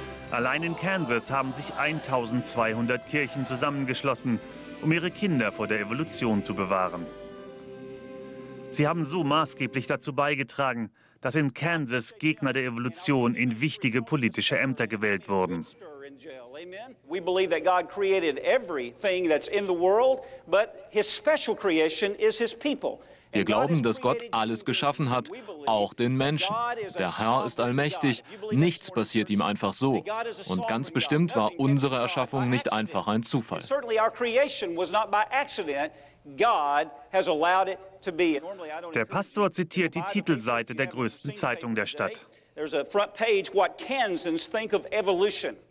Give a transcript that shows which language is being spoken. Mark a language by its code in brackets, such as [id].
[de] Allein in Kansas haben sich 1200 Kirchen zusammengeschlossen, um ihre Kinder vor der Evolution zu bewahren. Sie haben so maßgeblich dazu beigetragen, dass in Kansas Gegner der Evolution in wichtige politische Ämter gewählt wurden. [en] We believe that God created everything that's in the world, but his special creation is his people. [de] Wir glauben, dass Gott alles geschaffen hat, auch den Menschen. Der Herr ist allmächtig, nichts passiert ihm einfach so. Und ganz bestimmt war unsere Erschaffung nicht einfach ein Zufall. [en] Certainly our creation was not by accident. God has allowed it to be. [de] Der Pastor zitiert die Titelseite der größten Zeitung der Stadt. [en] There's a front page what Kansans think of evolution.